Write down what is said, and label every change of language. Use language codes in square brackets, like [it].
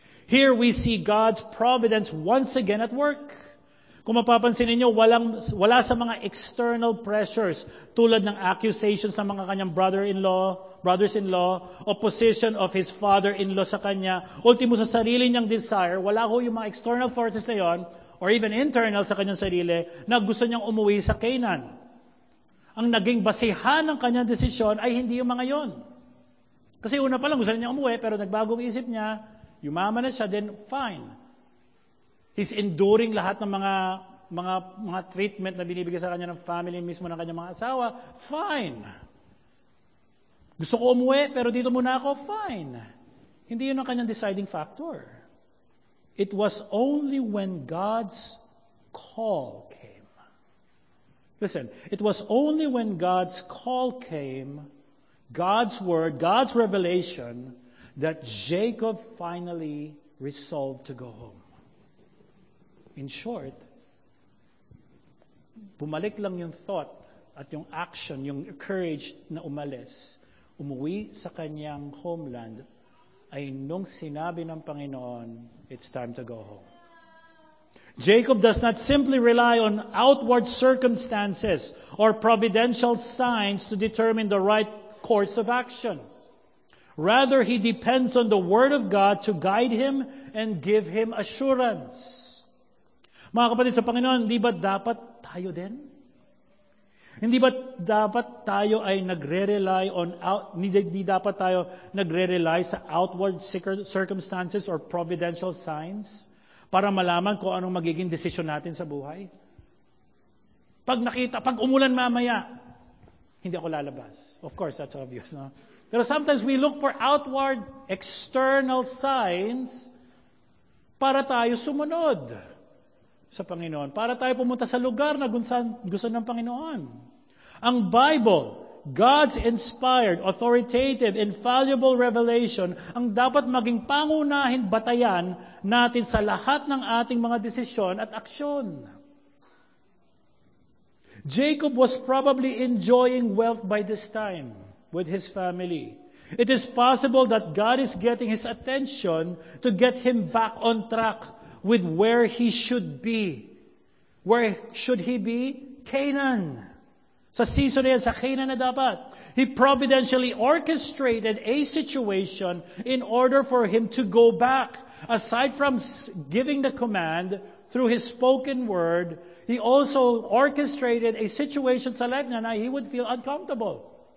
[en] Here we see God's providence once again at work. [tl] Kung mapapansin ninyo, wala sa mga [en] external pressures [tl] tulad ng accusations sa mga kanyang brothers-in-law, [en] opposition of his father-in-law [tl] sa kanya, ultimo sa sarili niyang desire, wala ho yung mga external forces na yon, [en] or even internal [tl] sa kanyang sarili, na gusto niyang umuwi sa Canaan. Ang naging basihan ng kanyang desisyon ay hindi yung mga yon. Kasi una pa lang gusto niya umuwi, pero nagbagong isip niya, yumama na siya, then fine. [en] He's enduring [tl] lahat ng mga treatment na binibigay sa kanya ng family mismo ng kanyang mga asawa. Fine. Gusto ko umuwi, pero dito muna ako. Fine. Hindi yun ang kanyang deciding factor. [en] It was only when God's call came. Listen, it was only when God's call came, God's word, God's revelation, that Jacob finally resolved to go home. [tl] In short, bumalik lang yung thought at yung action, yung courage na umalis, umuwi sa kanyang homeland, ay nung sinabi ng Panginoon, [en] it's time to go home. Jacob does not simply rely on outward circumstances or providential signs to determine the right course of action. Rather, he depends on the Word of God to guide him and give him assurance. [tl] Mga kapatid sa Panginoon, hindi ba dapat tayo din? Hindi ba dapat tayo ay nagre-rely on, hindi dapat tayo nagre-rely sa outward circumstances or providential signs para malaman kung anong magiging desisyon natin sa buhay? Pag nakita, pag umulan mamaya, hindi ako lalabas. [en] Of course, that's obvious, no? [tl] Pero [en] sometimes we look for outward, external signs [tl] para tayo sumunod sa Panginoon, para tayo pumunta sa lugar na gusto ng Panginoon. Ang Bible, [en] God's inspired, authoritative, infallible revelation, [tl] ang dapat maging pangunahing batayan natin sa lahat ng ating mga desisyon at aksyon. [en] Jacob was probably enjoying wealth by this time with his family. It is possible that God is getting his attention to get him back on track with where he should be. Where should he be? Canaan. [tl] Sa season niya, sa Canaan na dapat. [en] He providentially orchestrated a situation in order for him to go back. Aside from giving the command through his spoken word, he also orchestrated a situation [tl] sa life niya na [en] he would feel uncomfortable.